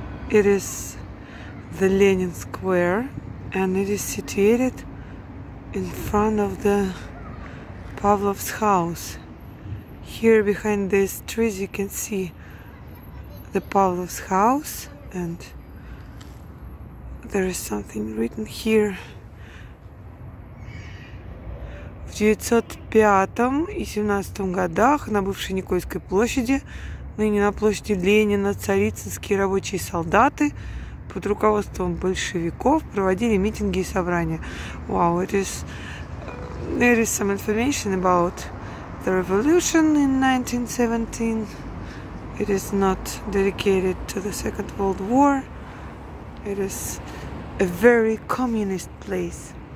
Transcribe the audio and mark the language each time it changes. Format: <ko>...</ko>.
<en>It is the Lenin Square, and it is situated in front of the Pavlov's house. Here behind these trees you can see the Pavlov's house, and there is something written here.</en> <ru>В 1905 и 17 годах на бывшей Никольской площади, ныне на площади Ленина, царицынские рабочие солдаты под руководством большевиков проводили митинги и собрания.</ru> <en>Wow, there is some information about the revolution in 1917. It is not dedicated to the Second World War. It is a very communist place.</en>